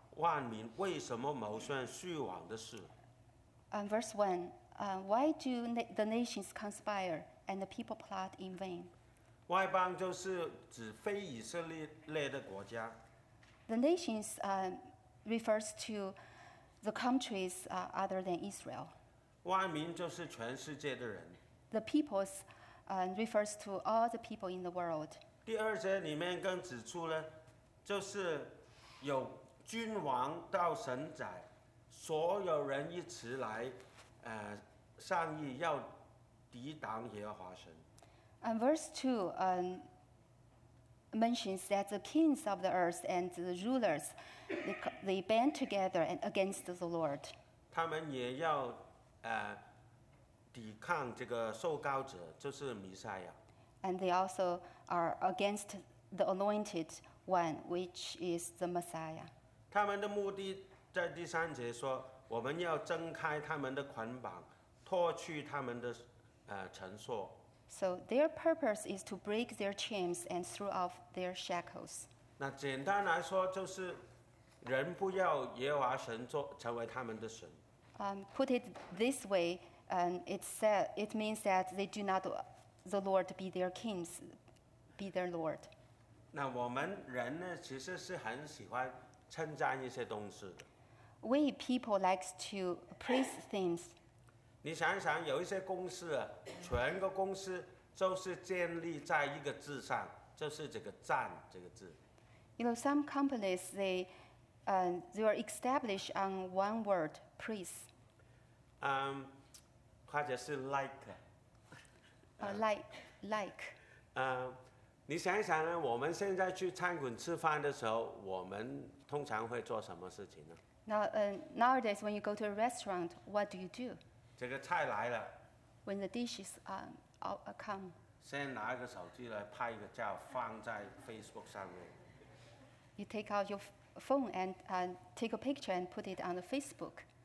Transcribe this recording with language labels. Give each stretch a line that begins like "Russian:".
Chinese: 万民为什么谋算虚妄的事？
English: Verse 1, why do the nations conspire and the people plot in vain?
Chinese: 外邦就是指非以色列的国家。
English: The nations refers to the countries other than Israel.
Chinese: 万民就是全世界的人。
English: The peoples refers to all the people in the world.
Chinese: 第二节里面更指出了。就是有君王到神宅，所有人一起来，商议要抵挡耶和华神。
English: And verse 2 mentions that the kings of the earth and the rulers they band together and against the Lord.
Chinese: 他们也要抵抗这个受膏者，就是弥赛亚。
English: And they also are against the anointed. One, which is the Messiah.
Chinese: 他们的目的在第三节说，我们要挣开他们的捆绑，脱去他们的绳索。
English: So their purpose is to break their chains and throw off their shackles.
Chinese: 那简单来说就是，人不要耶和华神成为他们的神。
English: Put it this way, it means that they do not the Lord be their kings, be their Lord.
Chinese: 那我们人呢，其实是很喜欢称赞一些东西的。
English: We people like to praise things.
Chinese: 你想一想，有一些公司，全个公司就是建立在一个字上，就是这个“赞”这个字。
English: You know, some companies they are established on one word, praise.
Chinese: 或者是 like.
English: Like.
Chinese: 你想一想呢，我们现在去餐馆吃饭的时候，我们通常会做什么事情呢？
English: Nowadays, when you go to a restaurant, what do you do?
Chinese: 这个菜来了。
English: When the dishes come.
Chinese: 先拿一个手机来拍一个照，放在 Facebook 上面。
English: You take out your phone and take a picture and put it on the Facebook.